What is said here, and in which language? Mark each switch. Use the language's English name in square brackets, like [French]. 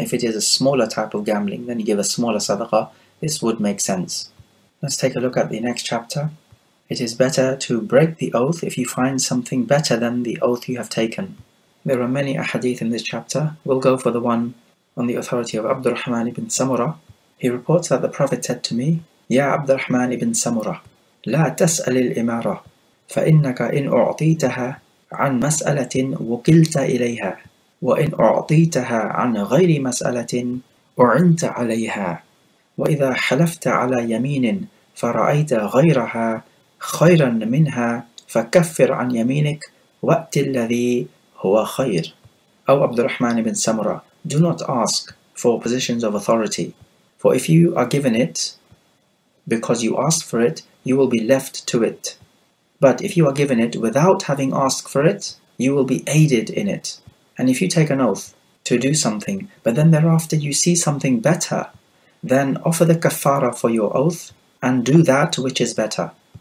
[English] If it is a smaller type of gambling, then you give a smaller sadaqah. This would make sense. Let's take a look at the next chapter. It is better to break the oath if you find something better than the oath you have taken. There are many ahadith in this chapter. We'll go for the one on the authority of Abdurrahman ibn Samura. He reports that the Prophet said to me, Ya Abdurrahman ibn Samura, [Arabic] لا تسأل الإمارة فإنك إن أعطيتها عن مسألة وكلت إليها وإن أعطيتها عن غير مسألة أعنت عليها وإذا حلفت على يمين فرأيت غيرها خيرا منها فكفر عن يمينك وأت الذي هو خير. [English] أو عبد الرحمن بن سمرة: Do not ask for positions of authority, for if you are given it because you asked for it, you will be left to it. But if you are given it without having asked for it, you will be aided in it. And if you take an oath to do something, but then thereafter you see something better, then offer the kafara for your oath and do that which is better.